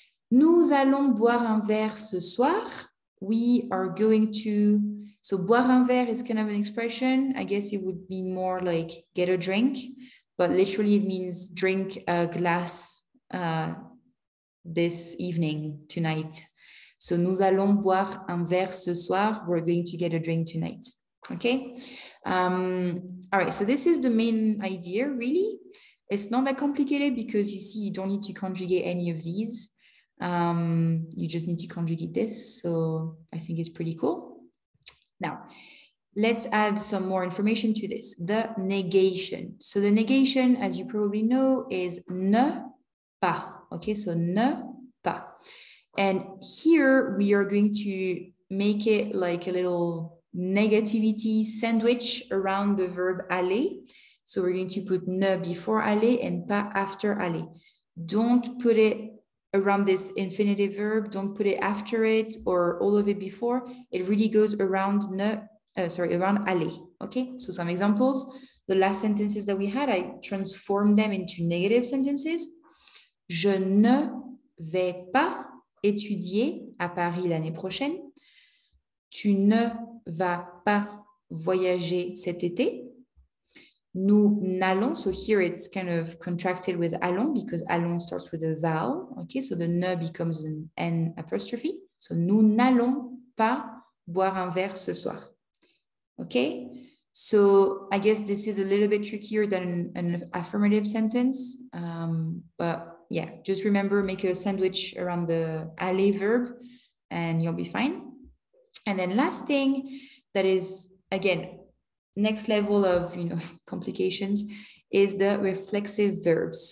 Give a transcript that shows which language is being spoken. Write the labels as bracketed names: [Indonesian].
[French] Nous allons boire un verre ce soir. [English] We are going to, so boire un verre is kind of an expression. I guess it would be more like get a drink, but literally it means drink a glass this evening, tonight. [French] So nous allons boire un verre ce soir. [English] We're going to get a drink tonight. Okay. All right. So this is the main idea, really. It's not that complicated because you see, you don't need to conjugate any of these. You just need to conjugate this. So I think it's pretty cool. Now, let's add some more information to this. The negation. So the negation, as you probably know, is ne pas, okay, so ne pas. And here we are going to make it like a little negativity sandwich around the verb aller. So we're going to put ne before aller and pas after aller. Don't put it around this infinitive verb. Don't put it after it or all of it before. It really goes around around aller. Okay, so some examples. The last sentences that we had, I transformed them into negative sentences. [French] Je ne vais pas étudier à Paris l'année prochaine. Tu ne vas pas voyager cet été. Nous n'allons. [English] So here it's kind of contracted with allons because allons starts with a vowel. Okay, so the ne becomes an N apostrophe. [French] So nous n'allons pas boire un verre ce soir. [English] Okay, so I guess this is a little bit trickier than an affirmative sentence. But yeah, just remember, make a sandwich around the aller verb and you'll be fine. And then last thing that is, again, next level of, you know, complications is the reflexive verbs.